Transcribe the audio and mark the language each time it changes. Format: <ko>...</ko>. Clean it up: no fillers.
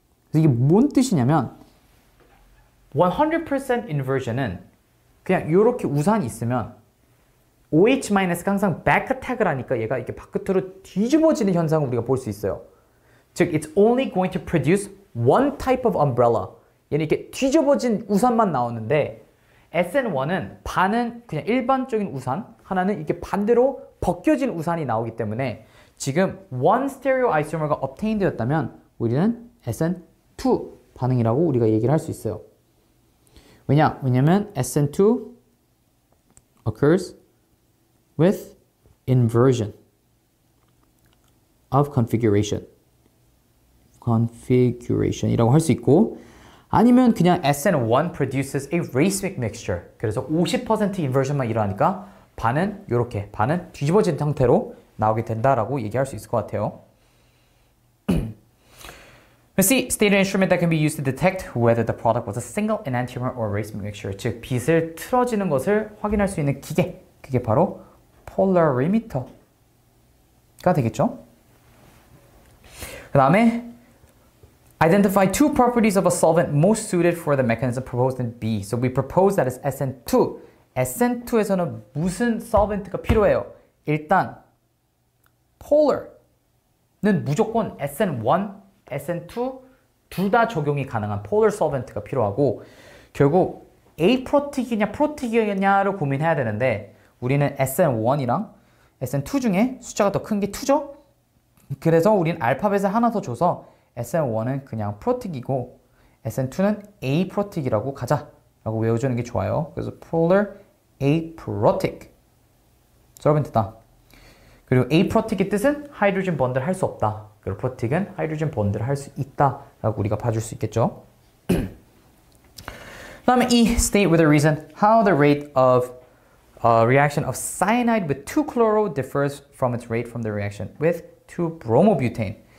<ko>그래서 이게 뭔 뜻이냐면 100% inversion은 그냥 이렇게 우산이 있으면 OH-가 항상 백어택을 하니까 얘가 이렇게 바깥으로 뒤집어지는 현상을 우리가 볼 수 있어요.</ko> <en>즉, it's only going to produce one type of umbrella.</en> <ko>얘는 이렇게 뒤집어진 우산만 나오는데 SN1은 반은 그냥 일반적인 우산, 하나는 이렇게 반대로 벗겨진 우산이 나오기 때문에 지금</ko> <en>one stereoisomer</en> <ko>가 obtained 되었다면 우리는 SN2 반응이라고 우리가 얘기를 할 수 있어요.</ko> <en>왜냐면 SN2 occurs with inversion of configuration이라고</en> <ko>할 수 있고 아니면 그냥</ko> <en>SN1 produces a racemic mixture.</en> <ko>그래서 50% inversion만 일어나니까 반은 이렇게 반은 뒤집어진 상태로 나오게 된다라고 얘기할 수 있을 것 같아요.</ko> <en>C, state an instrument that can be used to detect whether the product was a single enantiomer or racemic mixture.</en> <ko>즉, 빛을 틀어지는 것을 확인할 수 있는 기계. 그게 바로 polarimeter가 되겠죠. 그 다음에,</ko> <en>identify two properties of a solvent most suited for the mechanism proposed in B. So we propose that is SN2.</en> <ko>SN2에서는 무슨 solvent가 필요해요? 일단, polar는 무조건 SN1. SN2 둘 다 적용이 가능한 polar solvent가 필요하고 결국 aprotic이냐 protic이냐를 고민해야 되는데 우리는 SN1이랑 SN2 중에 숫자가 더 큰 게 2죠? 그래서 우리는 알파벳을 하나 더 줘서 SN1은 그냥 protic이고 SN2는 aprotic이라고 가자 라고 외워주는 게 좋아요. 그래서 polar aprotic solvent다. 그리고 aprotic의 뜻은 hydrogen bond을 할 수 없다. 그리고 프로틱은 하이드로젠 본드를 할 수 있다라고 우리가 봐줄 수 있겠죠. 다음에</ko> <en>E, state with a reason how the rate of reaction of cyanide with 2-chloro differs from its rate from the reaction with 2-bromobutane.</en>